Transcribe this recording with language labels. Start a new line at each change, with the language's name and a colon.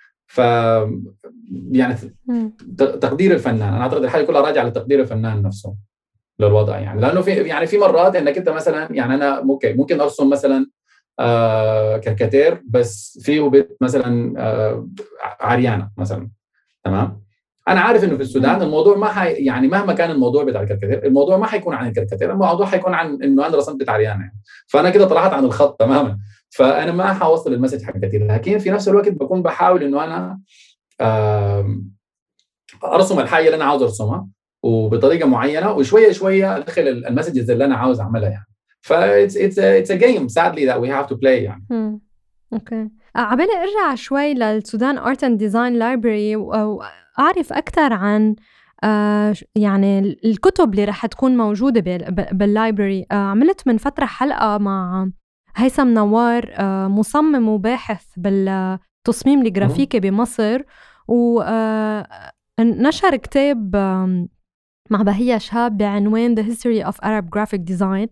Arabic: ف يعني تقدير الفنان، انا اعتقد الحاجه كلها راجعه لتقدير الفنان نفسه للوضع يعني، لانه في يعني في مرات انك انت مثلا يعني انا ممكن ارسم مثلا كاريكاتير بس فيه وبيت مثلا عريانه مثلا، تمام، انا عارف انه في السودان الموضوع ما يعني مهما كان الموضوع بتاع الكاريكاتير الموضوع ما حيكون عن الكاريكاتير، الموضوع حيكون عن انه انا رسمت بتاع عريانه يعني. فانا كده طلعت عن الخط تماما، فأنا ما حوصل المسج حقتي، لكن في نفس الوقت بكون بحاول إنه أنا أرسم الحاجة اللي أنا عاوز أرسمها وبطريقة معينة، وشوية شوية أدخل المسج اللي أنا عاوز أعملها يعني.
English: it's a game sadly that we have to play يعني.
Arabic: اوكي عبالي ارجع شوي للسودان ارت اند ديزاين لايبرري واعرف اكثر عن يعني الكتب اللي راح تكون موجوده باللايبرري. عملت من فتره حلقه مع هيثم نوار مصمم وباحث بالتصميم الجرافيكي بمصر ونشر كتاب مع بهية شهاب بعنوان The History of Arab Graphic Design.